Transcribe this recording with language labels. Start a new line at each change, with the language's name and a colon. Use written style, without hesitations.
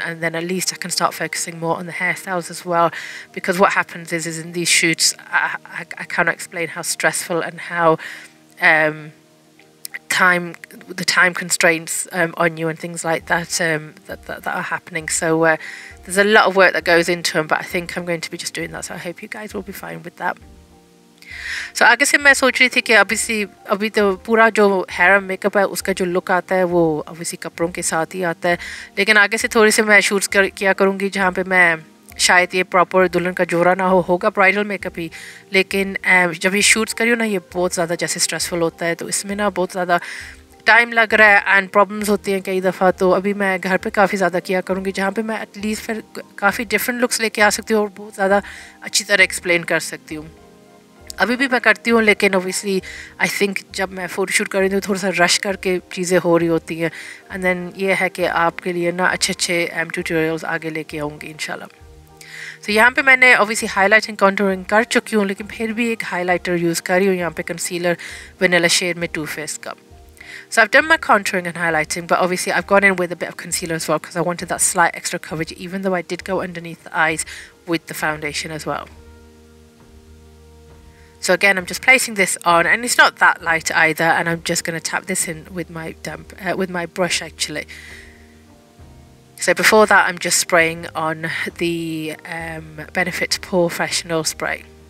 English: And then at least I can start focusing more on the hairstyles as well. Because what happens is in these shoots, I cannot explain how stressful and how the time constraints on you and things like that that are happening. So there's a lot of work that goes into them, but I think I'm going to be just doing that. So I hope you guys will be fine with that.
Hindi: So आगे से मैं सोच रही थी कि अभी तो पूरा जो हेयर एंड मेकअप है उसका जो लुक आता है वो ऑब्वियसली कपड़ों के साथ ही आता है लेकिन आगे से थोड़ी से मैं शूट्स किया करूँगी जहाँ पे मैं शायद ये प्रॉपर दुल्हन का जोड़ा ना होगा ब्राइडल मेकअप ही लेकिन जब ये शूट्स करियो ना ये बहुत ज़्यादा जैसे स्ट्रेसफुल होता है तो इसमें ना बहुत ज़्यादा टाइम लग रहा है एंड प्रॉब्लम्स होती हैं कई दफ़ा तो अभी मैं घर पे काफ़ी ज़्यादा किया करूँगी जहाँ पे मैं एटलीस्ट फिर काफ़ी डिफरेंट लुक्स लेके आ सकती हूँ और बहुत ज़्यादा अच्छी तरह एक्सप्लेन कर सकती हूँ अभी भी मैं करती हूँ लेकिन ऑब्वियसली आई थिंक जब मैं फोटो शूट कर रही हूँ थोड़ा सा रश करके चीज़ें हो रही होती हैं एंड देन ये है कि आपके लिए ना अच्छे अच्छे ट्यूटोरियल्स आगे लेके आऊँगी इंशाल्लाह तो यहाँ पे मैंने ऑब्वियसली हाइलाइटिंग कंटूरिंग कर चुकी हूँ लेकिन फिर भी एक हाइलाइटर यूज़ कर रही हूँ यहाँ पे कंसीलर वेनिला शेड में टू फेस का
English: So I've done my contouring and highlighting, but obviously I've gone in with a bit of concealer as well because I wanted that slight extra coverage, even though I did go underneath the eyes with the foundation as well. So again, I'm just placing this on, and it's not that light either, and I'm just going to tap this in with my brush actually. So before that, I'm just spraying on the Benefit Professional Spray.